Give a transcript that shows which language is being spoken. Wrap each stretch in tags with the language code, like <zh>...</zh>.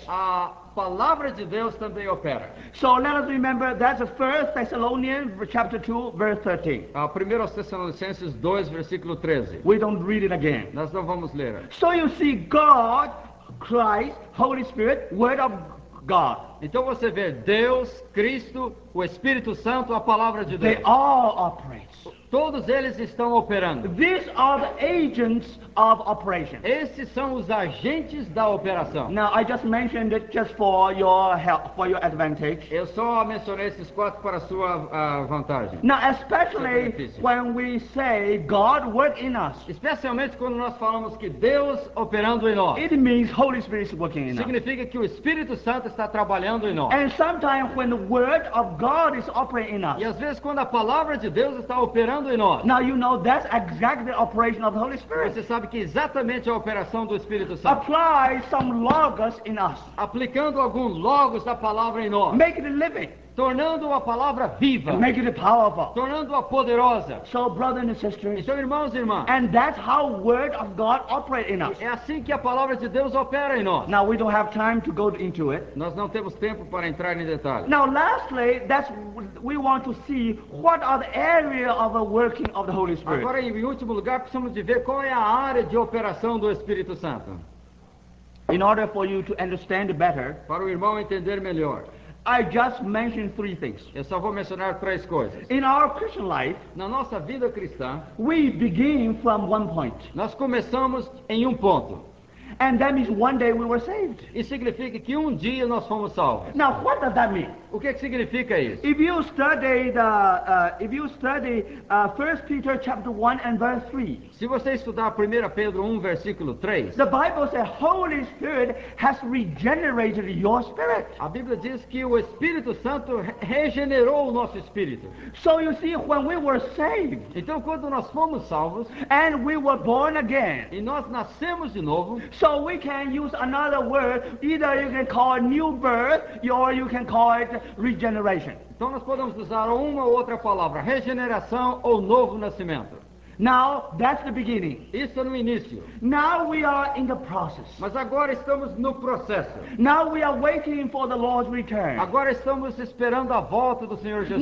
<pt>A palavra de Deus também opera.</pt> <en>So let us remember that's 1 Thessalonians chapter 2, verse 13.</en> <pt>1 Tessalonicenses 2, versículo 13.</pt> <en>We don't read it again.</en> <pt>Nós não vamos ler.</pt> <en>So you see, God, Christ, Holy Spirit, word of God.</en> <pt>Então você vê Deus, Cristo, o Espírito Santo, a palavra de Deus.</pt> <en>They all operate.</en> <pt>Todos eles estão operando.</pt> <en>These are the agents of operation.</en> <pt>Esses são os agentes da operação.</pt> <en>Now I just mentioned it just for your help, for your advantage.</en> <pt>Eu só mencionei esses quatro para sua vantagem.</pt> <en>Now especially when we say God work in us.</en> <pt>Especialmente quando nós falamos que Deus operando em nós.</pt> <en>It means Holy Spirit is working in us.</en> <pt>Significa que o Espírito Santo está trabalhando em nós.</pt> <en>And sometimes when the word of God is operating in us.</en> <pt>E às vezes quando a palavra de Deus está operando em nós.</pt> <en>Now you know that's exactly the operation of the Holy Spirit.</en> <pt>Você sabe que exatamente a operação do Espírito Santo.</pt> <en>Apply some logos in us.</en> <pt>Aplicando algum logos da palavra em nós.</pt> <en>Make it living.</en> <pt>Tornando a palavra viva.</pt> <en>And make it powerful.</en> <pt>Tornando-a poderosa.</pt> <en>So, brothers and sisters.</en> <pt>Então, irmãos e irmãs.</pt> <en>And that's how word of God operates in us.</en> <pt>É assim que a palavra de Deus opera em nós.</pt> <en>Now we don't have time to go into it.</en> <pt>Nós não temos tempo para entrar em detalhes.</pt> <en>Now, lastly, that's we want to see what are the area of the working of the Holy Spirit.</en> <pt>Agora, em último lugar, precisamos de ver qual é a área de operação do Espírito Santo.</pt> <en>In order for you to understand better.</en> <pt>Para o irmão entender melhor.</pt> <en>I just mentioned three things.</en> <pt>Eu só vou mencionar três coisas.</pt> <en>In our Christian life,</en> <pt>na nossa vida cristã,</pt> <en>we begin from one point.</en> <pt>Nós começamos em ponto.</pt> <en>And that means one day we were saved.</en> <pt>Isso significa que dia nós fomos salvos.</pt> <en>Now, what does that mean?</en> <pt>O que significa isso?</pt> <en>If you study the, if you study 1 Peter chapter 1 and verse 3.</en> <pt>Se você estudar 1 Pedro 1 versículo 3.</pt> <en>The Bible says Holy Spirit has regenerated your spirit.</en> <pt>A Bíblia diz que o Espírito Santo regenerou o nosso espírito.</pt> <en>So you see, when we were saved.</en> <pt>Então quando nós fomos salvos.</pt> <en>And we were born again.</en> <pt>E nós nascemos de novo.</pt> <en>So we can use another word. Either you can call it new birth, or you can call it regeneration.</en> <pt>Então nós podemos usar uma ou outra palavra, regeneração ou novo nascimento.</pt> <en>Now that's the beginning.</en> <pt>Isso é no início.</pt> <en>Now we are in the process.</en> <pt>Mas agora estamos no processo.</pt> <en>Now we are waiting for the Lord's return.</en> <pt>Agora estamos esperando a volta do Senhor Jesus.</pt>